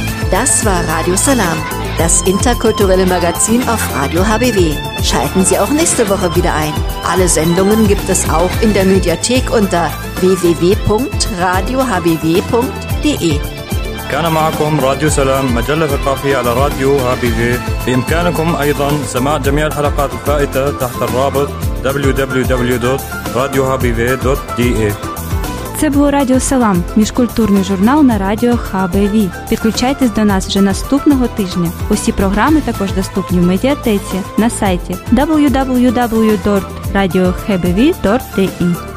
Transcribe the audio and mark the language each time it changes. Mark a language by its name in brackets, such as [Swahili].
[German] Das war Radio Salam, das interkulturelle Magazin auf Radio HBW. Schalten Sie auch nächste Woche wieder ein. Alle Sendungen gibt es auch in der Mediathek unter www.radiohbw.de. [Arabic] كان معكم راديو سلام مجلة ثقافية على راديو HBV. بإمكانكم أيضا سماع جميع الحلقات الفائتة تحت الرابط www.radiohbv.de. [Ukrainian] Це був Радіо Салам, міжкультурний журнал на радіо HBV. Підключайтесь до нас вже наступного тижня. Усі програми також доступні в медіатеці на сайті www.radiohbv.de.